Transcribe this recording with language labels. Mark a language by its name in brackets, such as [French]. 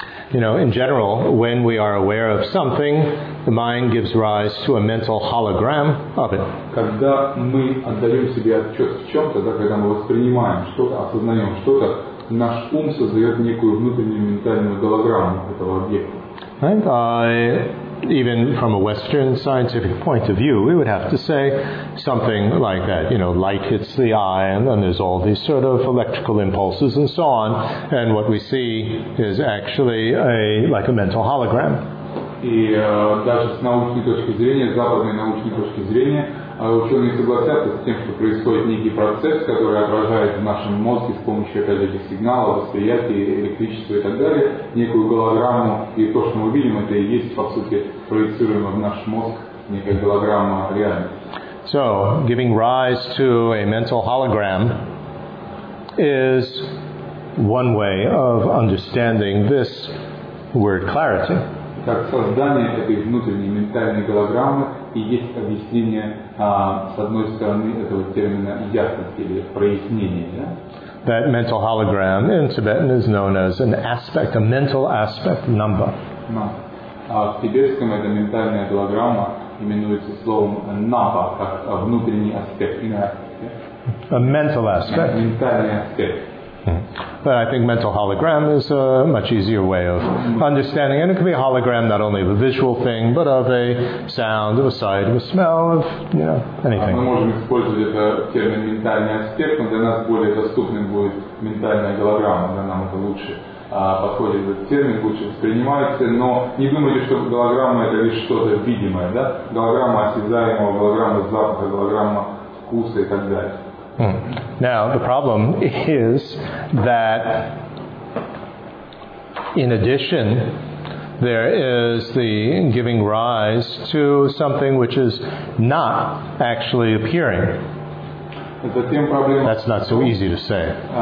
[English] You know, in general, when we are aware of something, the mind gives rise to a mental hologram of it. [Russian] Когда мы отдаём себе отчёт в чём-то, да, когда мы воспринимаем что-то, осознаём что-то, наш ум создаёт некую внутреннюю ментальную голограмму этого объекта. [English] And even from a Western scientific point of view, we would have to say something like that. You know, light hits the eye, and then there's all these sort of electrical impulses and so on, and what we see is actually like a mental hologram. [Russian] И даже с научной точки зрения, западной научной точки зрения, ученые согласятся с тем, что происходит некий процесс, который отражает в нашем мозге с помощью этих сигналов, восприятия, электричества и так далее, некую голограмму, и то, что мы видим, это и есть, по сути, проецируемо в наш мозг, некая голограмма реальности. [English] So, giving rise to a mental hologram is one way of understanding this word clarity. [Russian] Так, создание этой внутренней ментальной голограммы и есть объяснение, с одной стороны, этого термина ясности или прояснения. Да? [English] That mental hologram in Tibetan is known as an aspect, a mental aspect number. [Russian] В тибетском эта ментальная голограмма именуется словом напа, как внутренний аспект, [English] inner aspect. A mental aspect. [Russian] Ментальный аспект. [English] But I think mental hologram is a much easier way of understanding. And it can be a hologram not only of a visual thing, but of a sound, of a sight, of a smell, of, you know, anything. [Russian] Мы можем использовать это термин ментальный аспект, но для нас более доступным будет ментальная голограмма, для нас это лучше. подходит этот термин, лучше воспринимается, но не думайте, что голограмма это лишь что-то видимое, да? Голограмма осязаемого, голограмма запаха, голограмма вкуса и так далее. [English] Now, the problem is that in addition, there is the giving rise to something which is not actually appearing. That's not so easy to say.